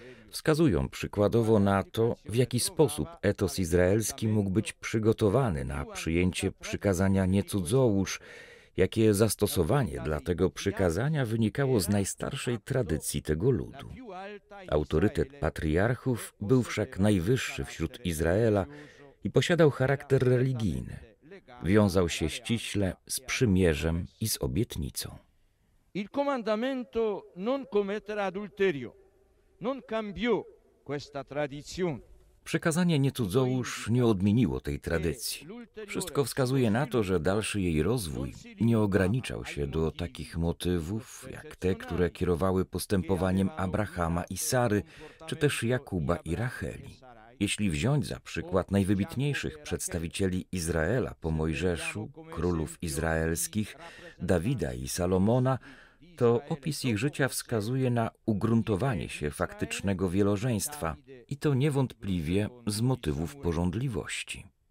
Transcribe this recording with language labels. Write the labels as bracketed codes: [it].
[pl] Wskazują przykładowo na to, w jaki sposób etos izraelski mógł być przygotowany na przyjęcie przykazania nie cudzołóż, jakie zastosowanie dla tego przykazania wynikało z najstarszej tradycji tego ludu. Autorytet patriarchów był wszak najwyższy wśród Izraela i posiadał charakter religijny. wiązał się ściśle z przymierzem i z obietnicą. [it] Il comandamento non commettere adulterio non cambiò questa tradizione. [pl] Przekazanie nie cudzołóż nie odmieniło tej tradycji. Wszystko wskazuje na to, że dalszy jej rozwój nie ograniczał się do takich motywów, jak te, które kierowały postępowaniem Abrahama i Sary, czy też Jakuba i Racheli. Jeśli wziąć za przykład najwybitniejszych przedstawicieli Izraela po Mojżeszu, królów izraelskich, Dawida i Salomona, to opis ich życia wskazuje na ugruntowanie się faktycznego wielożeństwa i to niewątpliwie z motywów pożądliwości.